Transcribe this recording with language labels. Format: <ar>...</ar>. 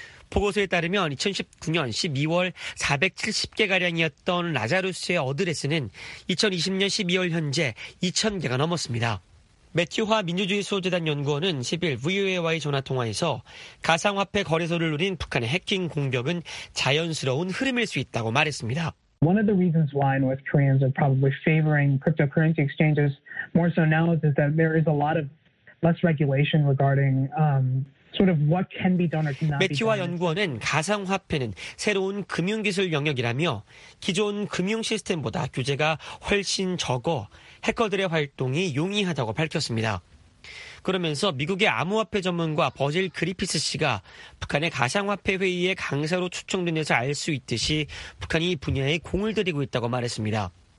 <ko>보고서에 따르면 2019년 12월 470개가량이었던 라자루스의 어드레스는 2020년 12월 현재 2000개가 넘었습니다. 매튜화 민주주의 수호재단 연구원은 10일 VOA와의 전화통화에서 가상화폐 거래소를 노린 북한의 해킹 공격은 자연스러운 흐름일 수 있다고 말했습니다.</ko> <en>One of the reasons why North Koreans are probably favoring cryptocurrency exchanges more so now is that there is a lot of less regulation regarding sort of what can be done or cannot be done.</en> <ko>매튜화 연구원은 가상화폐는 새로운 금융기술 영역이라며 기존 금융시스템보다 규제가 훨씬 적어 해커들의 활동이 용이하다고 밝혔습니다. 그러면서 미국의 암호화폐 전문가 버질 그리피스 씨가 북한의 가상화폐 회의의 강사로 추천된 데서 알 수 있듯이 북한이 분야에 공을 들이고 있다고 말했습니다.</ko>